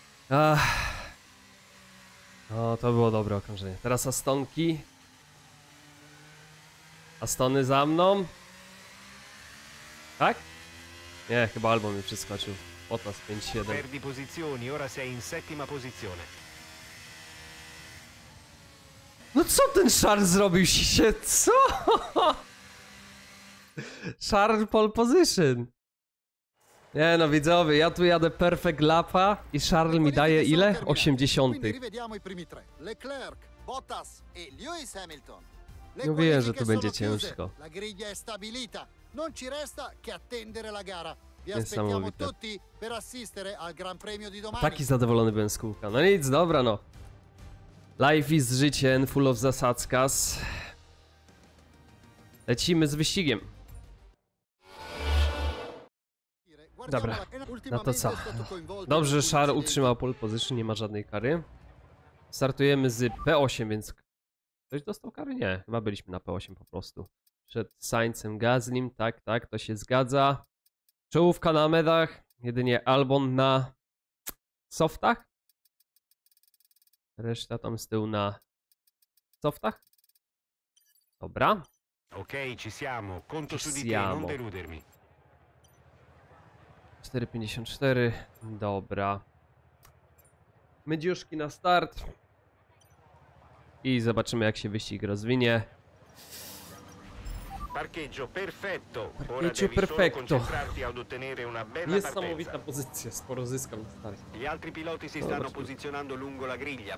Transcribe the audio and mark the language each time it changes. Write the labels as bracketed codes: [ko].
[pl] Ach. No, to było dobre okrążenie. Teraz Astonki. Astony za mną. Tak? Nie, chyba albo mi przeskoczył. Potas 5-7. [it] Perdi posizioni, ora sei in settima posizione. [pl] No co ten Charles zrobił się? Co? Charles pole position. Nie no, widzowie, ja tu jadę perfect lapa i Charles mi daje ile? 80. Leclerc, Bottas i Lewis Hamilton. No wiem, że tu będzie ciężko. [it] La griglia è stabilita. Non ci resta che attendere la gara. Vi aspettiamo tutti per assistere al Gran Premio di domani. [pl] Taki zadowolony byłem z kółka. No nic, dobra no. [en] Life is [pl] życie, [en] full of [pl] zasadzkas. Lecimy z wyścigiem. Dobra, no to co? Dobrze, że Szar utrzymał pole position, nie ma żadnej kary. Startujemy z P8, więc... Ktoś dostał kary? Nie, chyba byliśmy na P8 po prostu. Przed Sainzem, Gaslym, tak, tak, to się zgadza. Czołówka na medach, jedynie Albon na softach. Reszta tam z tyłu na softach. Dobra. [it] Okej, ci siamo. Conto su di te, non deludermi. [pl] 4,54. Dobra. Mydziuszki na start. I zobaczymy, jak się wyścig rozwinie. [it] Parcheggio perfetto. Parcheggio perfetto. [pl] Niesamowita pozycja, sporo zyskam na start. [it] Gli altri piloti si stanno posizionando lungo la griglia.